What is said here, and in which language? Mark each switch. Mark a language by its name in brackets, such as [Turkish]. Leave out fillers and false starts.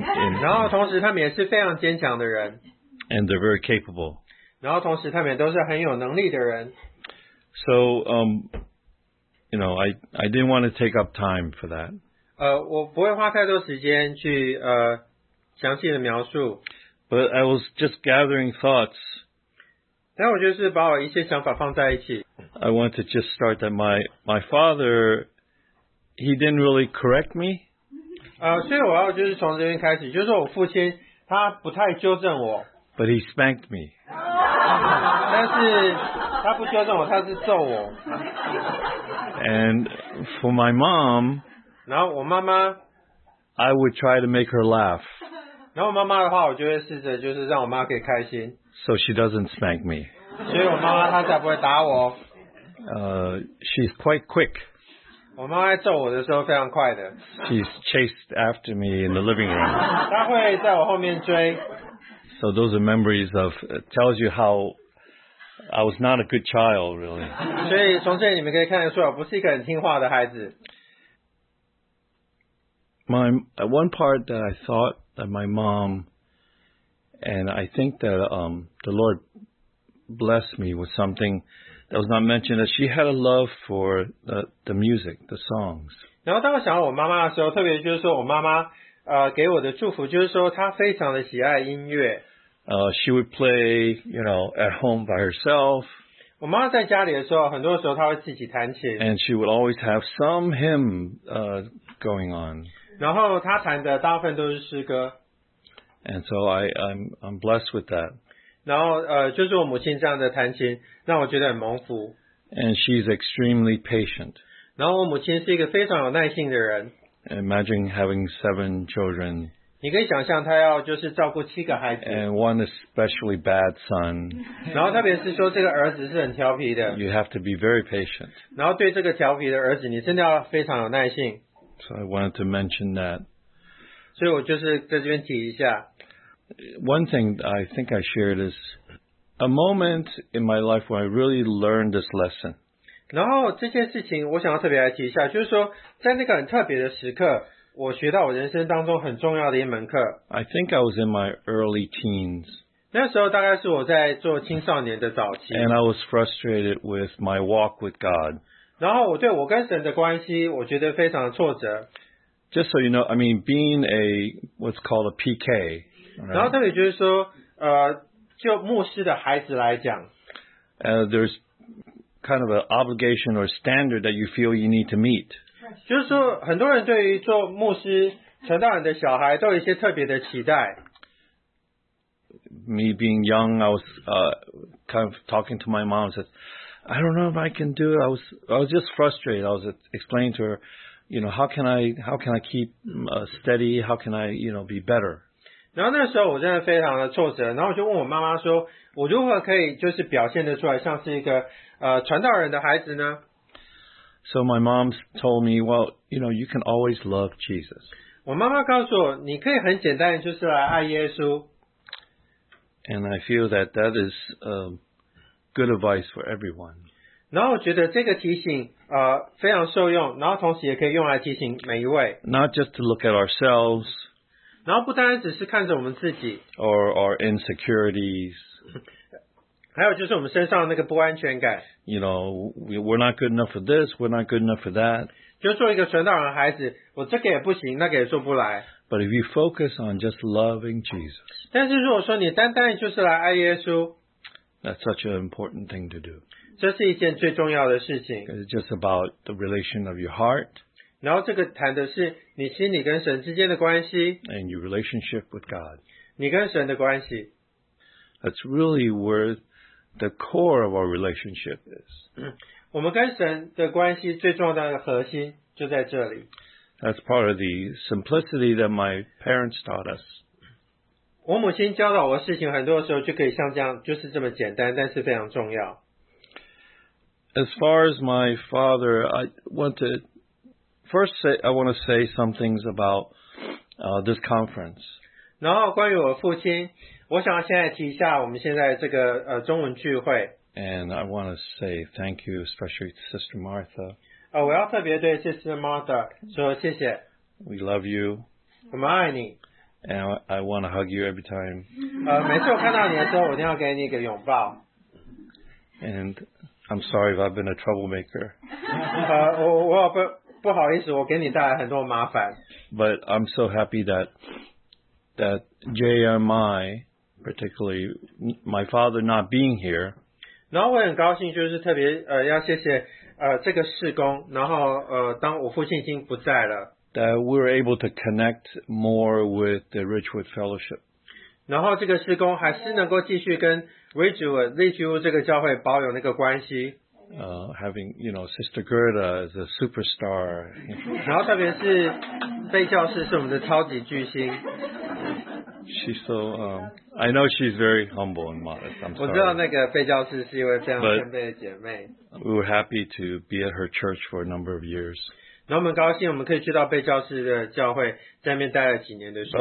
[Chinese] 然后同时她们也是非常坚强的人。 [English] And they're very capable. [Chinese] 然后同时他们也都是很有能力的人。 [English] So, you know, I didn't want to take up time for that. [Chinese] 我不会花太多时间去详细的描述。 [English] But I was just gathering thoughts. [Chinese] 但我就是把我一些想法放在一起。 [English] I want to just start that my father, he didn't really correct me. [Chinese] 所以我要就是从这边开始，就是说我父亲他不太纠正我。 [English] But he spanked me. [Chinese] 但是他不纠正我，他是揍我。 [English] And for my mom, [Chinese] 然后我妈妈 [English] I would try to make her laugh. [Chinese] 然后我妈妈的话，我就会试着就是让我妈可以开心。 [English] So she doesn't spank me. [Chinese] 所以我妈妈她才不会打我。 [English] She's quite quick. [Chinese] 我妈妈揍我的时候非常快的。 [English] She's chased after me in the living room. [Chinese] 她会在我后面追。 [English] So those are memories of, it tells you how I was not a good child, really. [Chinese] 所以从这里你们可以看得出我不是一个很听话的孩子。 [English] One part that I thought that my mom, and I think that the Lord blessed me with something that was not mentioned, that she had a love for the music, the songs. [Chinese] 然后当我想到我妈妈的时候，特别就是说我妈妈给我的祝福就是说她非常的喜爱音乐。 [English] She would play, you know, at home by herself. [Chinese] 我妈在家里的时候，很多时候她会自己弹琴。 [English] And she would always have some hymn, going on. [Chinese] 然后她弹的大部分都是诗歌。 [English] And so I'm blessed with that. [Chinese] 然后就是我母亲这样的弹琴，让我觉得很蒙福。 [English] And she's extremely patient. [Chinese] 然后我母亲是一个非常有耐心的人。 [English] Imagine having seven children. [Chinese] 你可以想象他要就是照顾七个孩子。 [English] And one especially bad son. [Chinese] 然后特别是说这个儿子是很调皮的。 [English] You have to be very patient. [Chinese] 然后对这个调皮的儿子，你真的要非常有耐心。 [English] So I wanted to mention that. [Chinese] 所以我就是在这边提一下。 [English] One thing I think I shared is a moment in my life where I really learned this lesson. [Chinese] 然后这件事情我想要特别来提一下，就是说在那个很特别的时刻，我学到我人生当中很重要的一门课。 [English] I think I was in my early teens. [Chinese] 那时候大概是我在做青少年的早期。 [English] And I was frustrated with my walk with God. [Chinese] 然后我对我跟神的关系，我觉得非常的挫折。 [English] Just so you know, I mean, being a what's called a PK. [Chinese] 然后特别就是说，就牧师的孩子来讲 [English] ，there's kind of an obligation or standard that you feel you need to meet. [Chinese] 就是说，很多人对于做牧师、传道人的小孩都有一些特别的期待。 [English] Me being young, I was kind of talking to my mom. Said, I don't know if I can do it. I was just frustrated. I was explaining to her, you know, how can I keep steady? How can I, you know, be better? [Chinese] 然后那个时候我真的非常的挫折，然后我就问我妈妈说，我如何可以就是表现得出来像是一个传道人的孩子呢？ [English] So my mom told me, well, you know, you can always love Jesus. [Chinese] 我妈妈告诉我，你可以很简单就是来爱耶稣。 [English] And I feel that that is good advice for everyone. [Chinese] 然后我觉得这个提醒非常受用，然后同时也可以用来提醒每一位。 [English] Not just to look at ourselves. [Chinese] 然后不单单只是看着我们自己 [English] or our insecurities, [Chinese] 还有就是我们身上的那个不安全感 [English] you know, we're not good enough for this, we're not good enough for that. [Chinese] 就做一个传道人的孩子，我这个也不行，那个也做不来。 [English] But if you focus on just loving Jesus, [Chinese] 但是如果说你单单就是来爱耶稣， [English] that's such an important thing to do. [Chinese] 这是一件最重要的事情。 [English] It's just about the relation of your heart. [Chinese] 然后这个谈的是你心里跟神之间的关系 [English] ，and your relationship with God， [Chinese] 你跟神的关系。 [English] That's really where the core of our relationship is。 [Chinese] 我们跟神的关系最重要的核心就在这里。 [English] That's part of the simplicity that my parents taught us。 [Chinese] 我母亲教导我的事情，很多时候就可以像这样，就是这么简单，但是非常重要。 [English] As far as my father, I want to. First, I want to say some things about this conference. [Chinese] 然后关于我父亲，我想要现在提一下我们现在这个中文聚会。 [English] And I want to say thank you, especially to Sister Martha. [Chinese] 我要特别对 Sister Martha 说谢谢。 [English] We love you. [Chinese] 我们爱你。 [English] And I want to hug you every time. [Chinese] 每次我看到你的时候，我一定要给你一个拥抱。 [English] And I'm sorry if I've been a troublemaker. [Chinese] 不好意思，我给你带来很多麻烦。 [English] But I'm so happy that JMI, particularly my father not being here. [Chinese] 然后我很高兴，就是特别要谢谢这个事工。然后当我父亲已经不在了。 [English] That we're able to connect more with the Ridgewood Fellowship. [Chinese] 然后这个事工还是能够继续跟 Ridgewood 这个教会保有那个关系。 [English] Having, you know, Sister Gerda is a superstar. 然后特别是贝教士是我们的超级巨星。 She's so, I know she's very humble and modest. I'm sorry. [Chinese] 我知道那个贝教士是一位非常谦卑的姐妹。 [English] We were happy to be at her church for a number of years. [Chinese] 然后我们高兴我们可以去到贝教士的教会，在那边待了几年的时间。